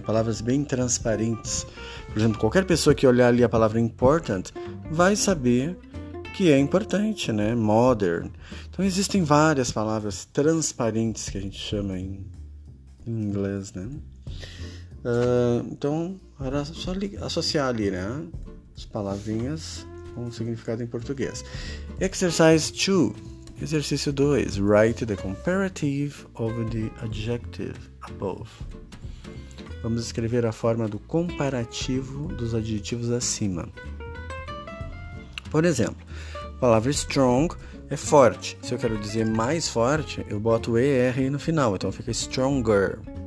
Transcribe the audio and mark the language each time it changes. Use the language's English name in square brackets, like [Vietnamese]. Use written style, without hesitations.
[Portuguese] Palavras bem transparentes. Por exemplo, qualquer pessoa que olhar ali a palavra important vai saber que é importante, né? Modern. Então existem várias palavras transparentes que a gente chama em inglês, né? Então era só associar ali, né? As palavrinhas com significado em português. [English] Exercise 2. Exercício 2. Write the comparative of the adjective above. [Portuguese] Vamos escrever a forma do comparativo dos adjetivos acima. Por exemplo, a palavra strong é forte. Se eu quero dizer mais forte, eu boto o ER no final. Então fica stronger.